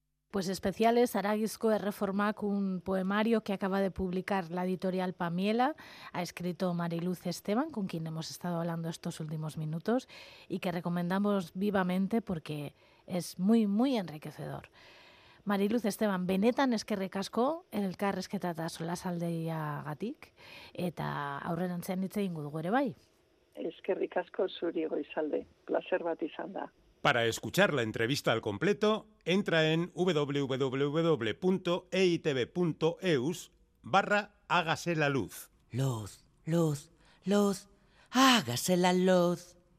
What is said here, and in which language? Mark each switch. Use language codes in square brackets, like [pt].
[es] Pues especiales, Haragizko Erreformak, un poemario que acaba de publicar la editorial Pamiela, ha escrito Mariluz Esteban, con quien hemos estado hablando estos últimos minutos, y que recomendamos vivamente porque es muy, muy enriquecedor. [eu] Mariluz Esteban, benetan eskerrek asko, elkarrezketa eta solasaldeia gatik, eta aurrerantzean hitz egingo dugu ere bai. Eskerrik asko zuri Goizalde, placer bat izan da. [es] Para escuchar la entrevista al completo, entra en www.eitb.eus/hágase la luz. Luz, luz, luz, hágase la luz.